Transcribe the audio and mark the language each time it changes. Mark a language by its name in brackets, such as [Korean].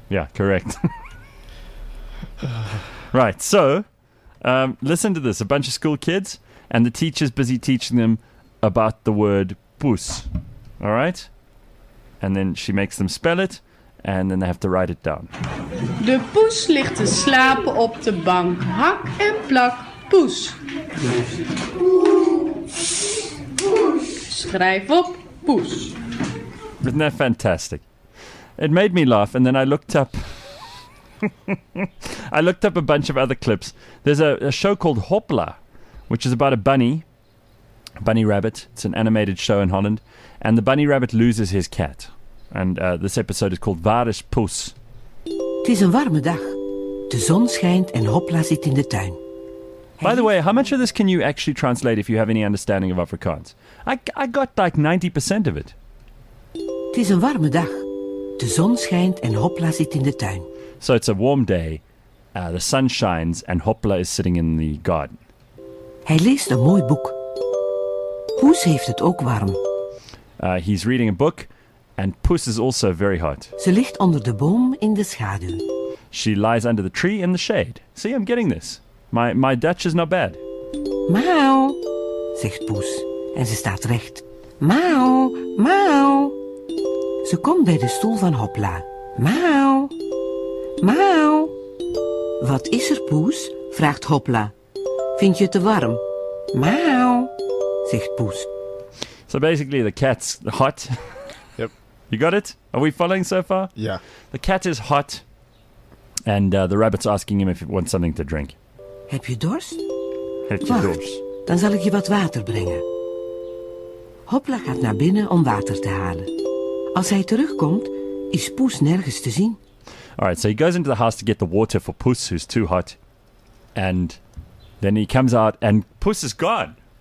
[English] Yeah, correct. Right, so, listen to this. A bunch of school kids. And the teacher's busy teaching them about the word poes. All right? And then she makes them spell it, and then they have to write it down. [Dutch] De poes ligt te slapen op de bank. Hak en plak, poes. Schrijf op poes. [English] Isn't that fantastic? It made me laugh, and then I looked up... I looked up a bunch of other clips. There's a show called Hopla, which is about a bunny rabbit. It's an animated show in Holland. And the bunny rabbit loses his cat. And this episode is called [Dutch] Waar is Poes? Het is een warme dag. De zon schijnt en Hopla zit in de tuin. [English] By the way, how much of this can you actually translate if you have any understanding of Afrikaans? I got like 90% of it. [Dutch] Het is een warme dag. De zon schijnt en Hopla zit in de tuin. [English] So it's a warm day. The sun shines and Hopla is sitting in the garden. [Dutch] Hij leest een mooi boek. Poes heeft het ook warm. [English] He's reading a book, and Poes is also very hot. [Dutch] Ze ligt onder de boom in de schaduw. [English] She lies under the tree in the shade. See, I'm getting this. My Dutch is not bad. [Dutch] Mauw, zegt Poes, en ze staat recht. Mauw, mauw. Ze komt bij de stoel van Hopla. Mauw, mauw. Wat is er, Poes? Vraagt Hopla. Vind je te warm? Mauw, zegt Poes. [English] So basically the cat's hot. Yep. You got it? Are we following so far? Yeah. The cat is hot and the rabbit's asking him if he wants something to drink. [Dutch] Heb je dorst? Heb je dorst? Dan zal ik je wat water brengen. Hopla gaat naar binnen om water te halen. Als hij terugkomt, is Poes nergens te zien. [English] All right, so he goes into the house to get the water for Poes, who's too hot. And... then he comes out and Poes is gone.